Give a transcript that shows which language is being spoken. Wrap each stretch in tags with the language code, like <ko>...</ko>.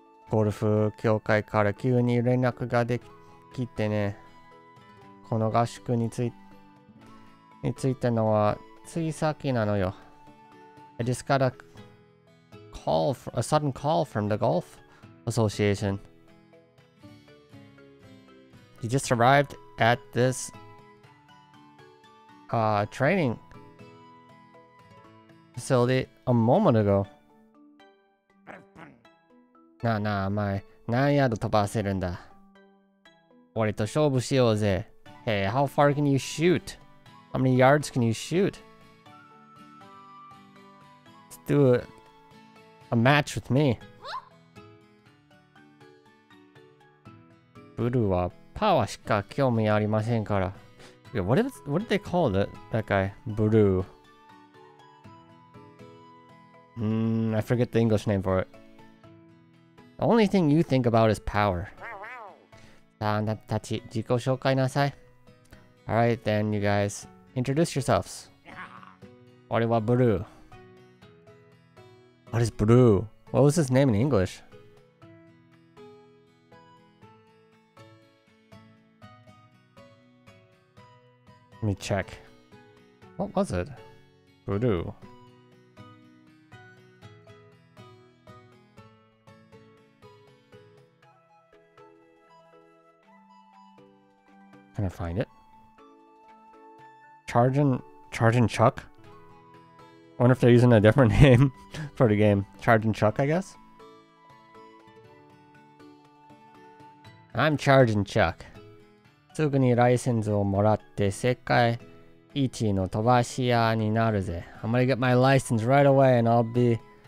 <ja>ゴルフ協会から急に連絡ができてね。この合宿についてのはつい先なのよ。</ja> <en>I just got a sudden call from the Golf Association. You just arrived at this training facility a moment ago.</en> <ja>なあなあ、お前、何ヤード飛ばせるんだ。俺と勝負しようぜ。</ja> <en>Hey, how far can you shoot? How many yards can you shoot? Let's do a match with me.</en> <ja>ブルーはパワーしか興味ありませんから。</ja> <en>What did they call that guy? ブルー。 I forget the English name for it. The only thing you think about is power.</en> <ja>さあ、あなたたち、自己紹介なさい。</ja> <en>Alright then, you guys. Introduce yourselves.</en> <ja>俺はブルー。</ja> <en>What is blue? What was his name in English? Let me check. What was it? ブルー。 Can I find it? Charging Chuck? I wonder if they're using a different name for the game. Charging Chuck, I guess? I'm Charging Chuck.</en> <ja>すぐにライセンスをもらって世界一の飛ばし屋になるぜ。</ja> <en>I'm gonna get my license right away and I'll be</en>